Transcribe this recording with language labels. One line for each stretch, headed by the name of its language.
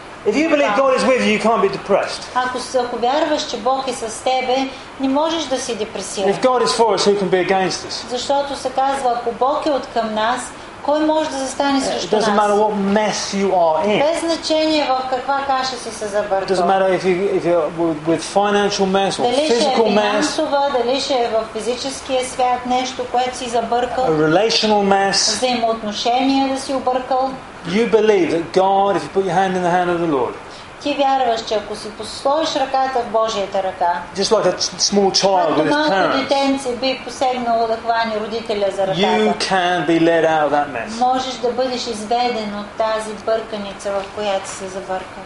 English: If you believe God is with you, you can't be depressed.
Bulgarian: Ако вярваш, че Бог е с тебе, не можеш да си депресиран.
English: If God is for us, who can be against us?
Bulgarian: Защото се казва, ако Бог е откъм нас, кой може да застане срещу нас?
English: It doesn't matter what mess you are in.
Bulgarian: Без значение в каква каша си се забъртал.
English: It doesn't matter if you're with financial mess or physical mess.
Bulgarian: Дали ще е в физическия свят нещо, което си забъркал.
English: A relational mess.
Bulgarian: Взаимоотношения да си объркал.
English: You believe that God, if you put your hand in the hand of the Lord.
Bulgarian: Ти вярваш, че ако си посложиш ръката в Божията ръка,
English: just like a small child with his parents,
Bulgarian: детенце би посегнало да хвани родителя за ръката,
English: you can be led out of that mess.
Bulgarian: Можеш да бъдеш изведен от тази бърканица, в която се забърка.